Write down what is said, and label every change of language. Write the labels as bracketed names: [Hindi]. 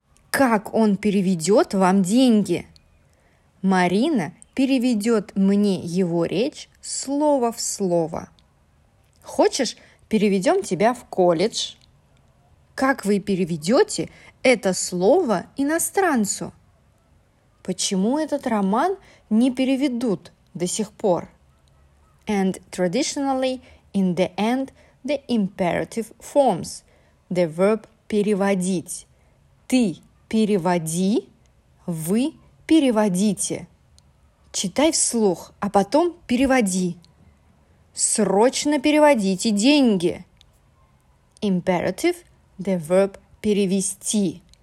[Russian] Как он переведет вам деньги? Марина переведет мне его речь слово в слово. Хочешь, переведем тебя в колледж? Как вы переведете это слово иностранцу? Почему этот роман не переведут до сих пор? [English] And traditionally, in the end, the imperative forms. The verb переводить. [Russian] Ты переводи, вы переводите. Читай вслух, а потом переводи. Срочно переводите деньги. [English] Imperative, the verb перевести.